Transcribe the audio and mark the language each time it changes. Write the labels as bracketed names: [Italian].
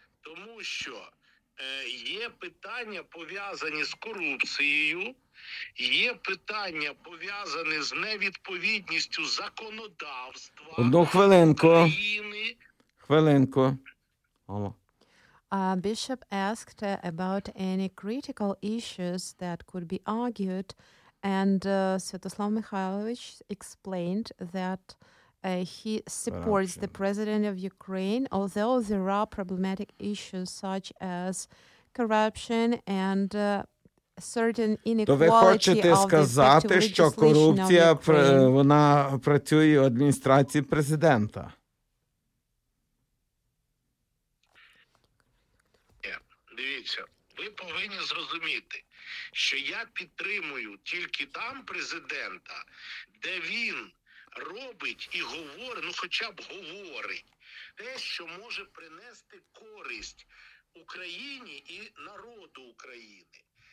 [Ukrainian] Тому що є питання, пов'язані з корупцією, є питання, пов'язані з невідповідністю законодавства Одну хвилинку. України. Хвилинку. Алло. [English] Bishop asked about any critical issues that could be argued, and Святослав Михайлович explained that he supports the president of Ukraine, although there are problematic issues such as corruption and certain inequality. [Ukrainian] То ви хочете сказати, що корупція вона працює в адміністрації президента? Дивіться, ви повинні зрозуміти, що я підтримую тільки там президента, де він робить і говорить, ну хоча б говорить, те, що може принести користь Україні і народу України.